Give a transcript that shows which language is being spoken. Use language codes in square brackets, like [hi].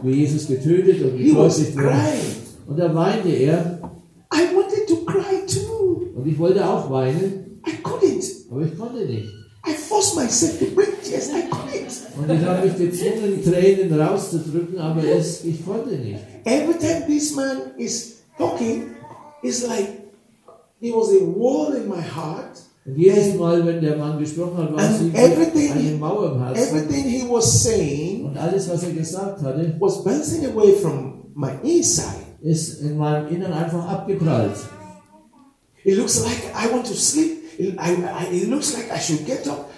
[de] wie Jesus getötet und gekreuzigt wurde, und da weinte er, [en] I wanted to cry too. [de] Und ich wollte auch weinen, [en] I couldn't. [de] Aber ich konnte nicht. [en] I forced myself to break tears. I couldn't. [de] Und ich habe mich gezwungen, Tränen rauszudrücken, aber es, ich konnte nicht. [en] Every time this man is talking, it's like there was a wall in my heart. [de] Und jedes Mal, wenn der Mann gesprochen hat, war es wie eine Mauer im Herzen. [en] Everything he was saying, [de] und alles, was er gesagt hatte, [en] was bouncing away from my inside. [de] Ist in meinem Inneren einfach abgeprallt. [en] It looks like I want to sleep. It looks like I should get up.